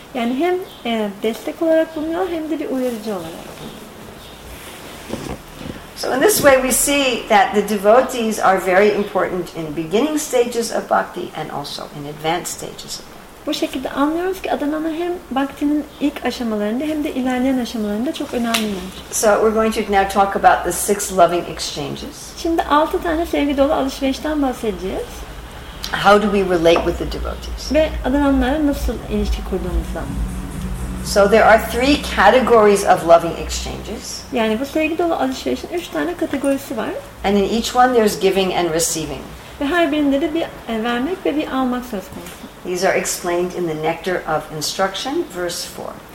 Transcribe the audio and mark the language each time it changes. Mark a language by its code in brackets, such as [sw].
[tr] Yani hem destek olarak bulunuyor, hem de bir uyarıcı olarak. [en] So in this way we see that the devotees are very important in beginning stages of bhakti and also in advanced stages of bhakti. [tr] Bu şekilde anlıyoruz ki adananlar hem bhakti'nin ilk aşamalarında hem de ilerleyen aşamalarında çok önemliler. [en] So we're going to now talk about the six loving exchanges. [tr] Şimdi 6 tane sevgi dolu alışverişten bahsedeceğiz. [en] How do we relate with the devotees? [tr] Ve adananlarla nasıl ilişki kurduğumuzda. [en] So there are 3 categories of loving exchanges. [tr] Yani bu sevgi dolu alışverişin 3 tane kategorisi var. [en] And in each one there's giving and receiving. [tr] Ve her birinde de bir vermek ve bir almak söz konusu. [en] These are explained in the Nectar of Instruction, verse 4.